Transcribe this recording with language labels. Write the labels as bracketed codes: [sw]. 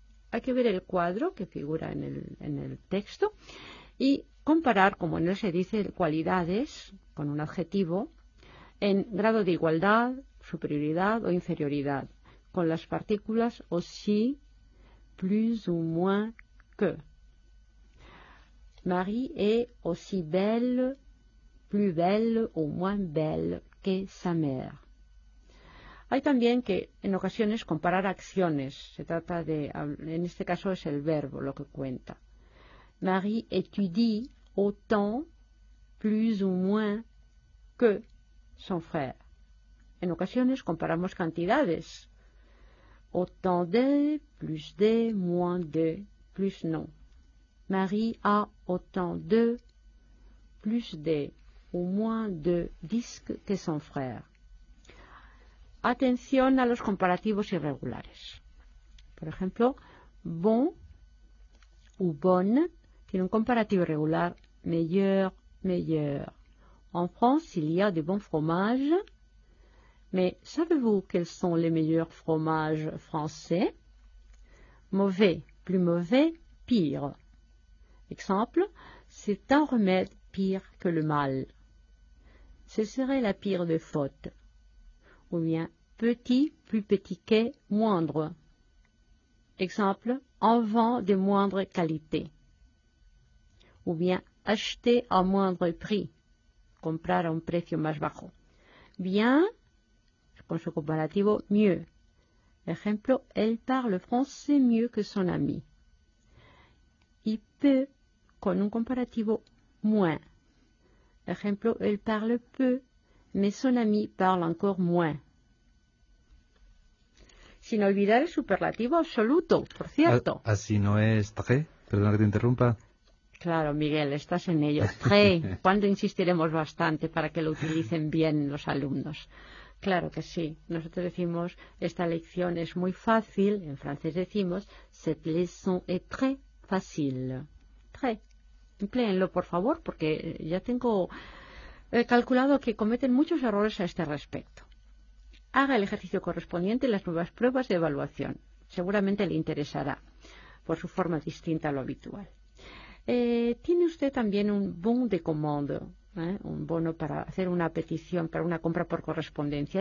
[es] Hay que ver el cuadro que figura en el texto y comparar, como en él se dice, cualidades con un adjetivo en grado de igualdad, superioridad o inferioridad con las partículas [fr] aussi, plus ou moins que. Marie est aussi belle, plus belle ou moins belle que sa mère. [es] Hay también que en ocasiones comparar acciones. Se trata de, en este caso es el verbo lo que cuenta. [fr] Marie étudie autant, plus ou moins que son frère. [es] En ocasiones comparamos cantidades. [fr] Autant de, plus de, moins de, plus non. Marie a autant de, plus de, ou moins de disques que son frère. [es] Atención a los comparativos irregulares. Por ejemplo, [fr] bon ou bonne [es] tiene un comparativo irregular, meilleur, meilleur. [fr] En France, il y a de bons fromages. Mais savez-vous quels sont les meilleurs fromages français? Mauvais, plus mauvais, pire. Exemple, c'est un remède pire que le mal. Ce serait la pire des fautes. Ou bien, petit, plus petit que, moindre. Exemple, en vend de moindre qualité. Ou bien, acheter à moindre prix. [es] Comprar a un precio más bajo. Bien, con su comparativo, mieux. Ejemplo, [fr] elle parle français mieux que son ami. Y peu, [es] con un comparativo, [fr] moins. [es] Ejemplo, [fr] elle parle peu, mais son ami parle encore moins. [es] Sin olvidar el superlativo absoluto, por cierto. Así no es, très, perdona que te interrumpa. Claro, Miguel, estás en ello. Très, ¿cuándo insistiremos bastante para que lo utilicen bien los alumnos? Claro que sí. Nosotros decimos, esta lección es muy fácil. En francés decimos, [fr] cette leçon est très facile. Très. [es] Empléenlo, por favor, porque ya tengo calculado que cometen muchos errores a este respecto. Haga el ejercicio correspondiente en las nuevas pruebas de evaluación. Seguramente le interesará por su forma distinta a lo habitual. Tiene usted también [fr] un bon de commande, [es] un bono para hacer una petición, para una compra por correspondencia.